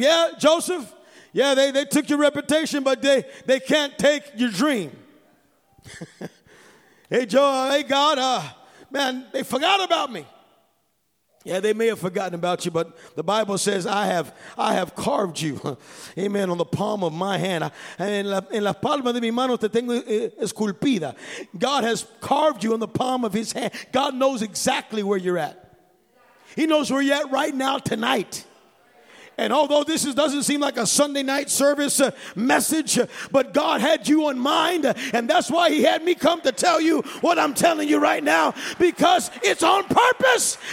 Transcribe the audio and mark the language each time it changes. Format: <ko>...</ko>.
<en>Yeah, Joseph, yeah, they took your reputation, but they can't take your dream. Hey, Joe, hey, God, man, they forgot about me. Yeah, they may have forgotten about you, but the Bible says I have carved you, amen, on the palm of my hand.</en> <es>En la palma de mi mano te tengo esculpida.</es> <en>God has carved you on the palm of his hand. God knows exactly where you're at. He knows where you're at right now, tonight. And although this doesn't seem like a Sunday night service message, but God had you in mind, and that's why he had me come to tell you what I'm telling you right now, because it's on purpose.</en>